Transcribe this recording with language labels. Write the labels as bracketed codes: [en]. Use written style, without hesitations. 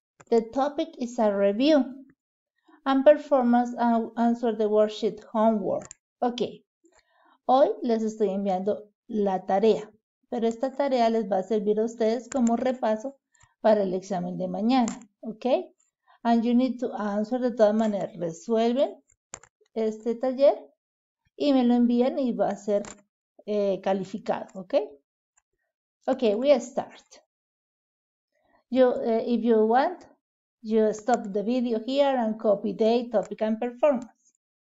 [en] The topic is a review and performance and answer the worksheet homework. Okay. [es] Hoy les estoy enviando la tarea, pero esta tarea les va a servir a ustedes como repaso para el examen de mañana, okay? And you need to answer de todas maneras. Resuelven este taller. Y me lo envían y va a ser calificado, ¿ok? [en] Ok, we start. If you want, you stop the video here and copy the topic and performance.